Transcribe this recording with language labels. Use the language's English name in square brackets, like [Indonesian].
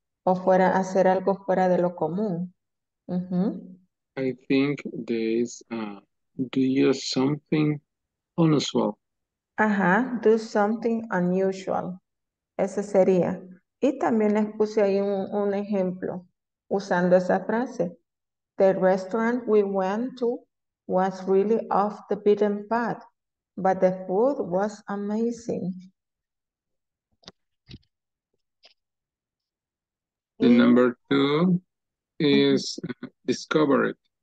[Spanish] O fuera, hacer algo fuera de lo común. Uh-huh. [English] I think there is do you something unusual. [Spanish] Ajá, [English] do something unusual. [Spanish] Ese sería. Y también les puse ahí un ejemplo usando esa frase. [English] The restaurant we went to was really off the beaten path, but the food was amazing. The number two is discover it.